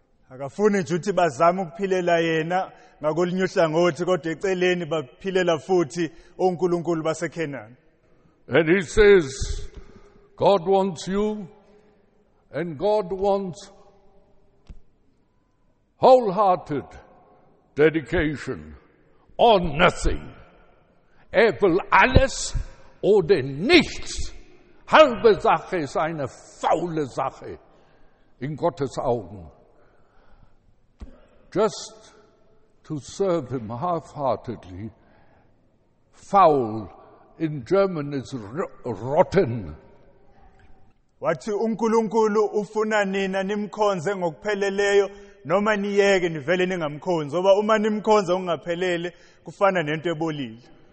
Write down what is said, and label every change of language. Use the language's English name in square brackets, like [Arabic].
[Zulu] Akafuni nje ukuthi bazame ukuphilela yena ngakolunye uhlangothi kodwa eceleni baphilela futhi onkulunkulu baseCanaan. [English] And he says, God wants you and God wants wholehearted dedication or nothing. [German] Er will alles oder nichts. Halbe Sache ist eine faule Sache in Gottes Augen. [English] Just to serve Him half-heartedly, faul in German is rotten. [Zulu] Wathi uNkulunkulu ufuna nina nimkhonze ngokupheleleyo noma niyeke nivele ningamkhonzi ngoba uma nimkhonza ungaphelele kufana nento ebolile.